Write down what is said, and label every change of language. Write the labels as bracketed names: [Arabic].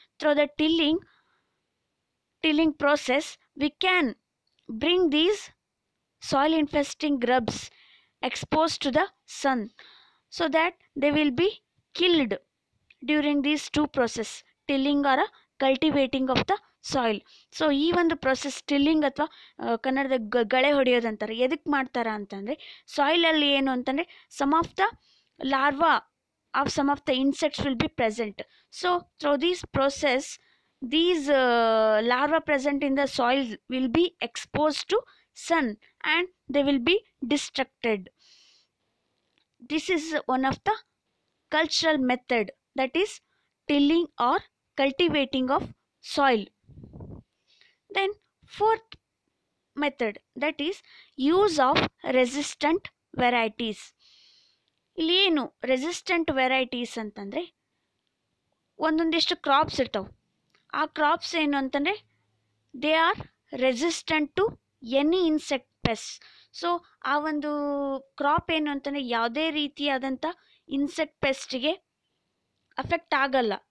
[English] Through the tilling process we can bring these soil infesting grubs expose to the sun so that they will be killed during these two process, tilling or a cultivating of the soil. [Kannada] So ಈ ಒಂದು process tilling ಅಥವಾ ಕನ್ನಡದ ಗಳೆ ಹೊಡೆಯೋದಂತಾರೆ, ಎದಕ್ಕೆ ಮಾಡ್ತಾರೆ ಅಂತಂದರೆ ಸಾಯಿಲಲ್ಲಿ ಏನು ಅಂತಂದರೆ [English] Some of the larva of some of the insects will be present. So through these process these larva present in the soil will be exposed to sun and they will be destructed. This is one of the cultural method, that is tilling or cultivating of soil. Then fourth method, that is use of resistant varieties. [Kannada] ಇಲ್ಲಿ ಏನು resistant varieties ಅಂತಂದರೆ ಒಂದೊಂದಿಷ್ಟು crops ಇರ್ತವೆ, ಆ crops ಏನು ಅಂತಂದರೆ [English] They are resistant to any insect pest. [Kannada] So ಆ ಒಂದು crop ಏನು ಅಂತಂದರೆ ಯಾವುದೇ ರೀತಿಯಾದಂಥ ಇನ್ಸೆಕ್ಟ್ ಪೆಸ್ಟ್ಗೆ ಅಫೆಕ್ಟ್ ಆಗಲ್ಲ.